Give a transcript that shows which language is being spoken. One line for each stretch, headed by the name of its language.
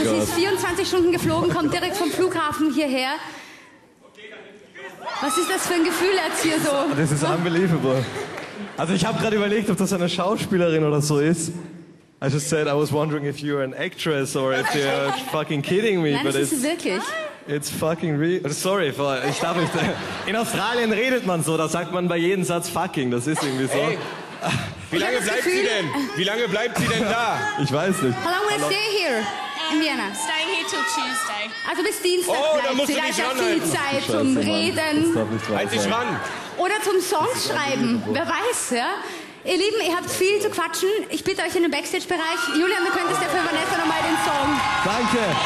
German: Also sie ist 24 Stunden geflogen, kommt direkt vom Flughafen hierher. Was ist das für ein Gefühl jetzt hier so? Das ist
English: unbelievable.
German: Also ich habe gerade überlegt, ob das eine Schauspielerin oder so ist.
English: I just said I was wondering if you're an actress or if you're fucking kidding me.
German: Nein,
English: but
German: das ist sie wirklich.
English: It's fucking real. Sorry,
German: ich darf nicht. In Australien redet man so, da sagt man bei jedem Satz fucking. Das ist irgendwie so. Hey. Wie lange bleibt sie denn? Wie lange bleibt sie denn da? Ich weiß nicht.
English: How long will you stay here in Vienna? Staying here till Tuesday.
German: Also bis Dienstag. Oh, da musst du dich ranhalten. Viel Zeit zum Reden. Halt dich ran. Oder zum Songs schreiben. Wer weiß, ja? Ihr Lieben, ihr habt viel zu quatschen. Ich bitte euch in den Backstage-Bereich. Julian, du könntest ja für Vanessa nochmal den Song. Danke.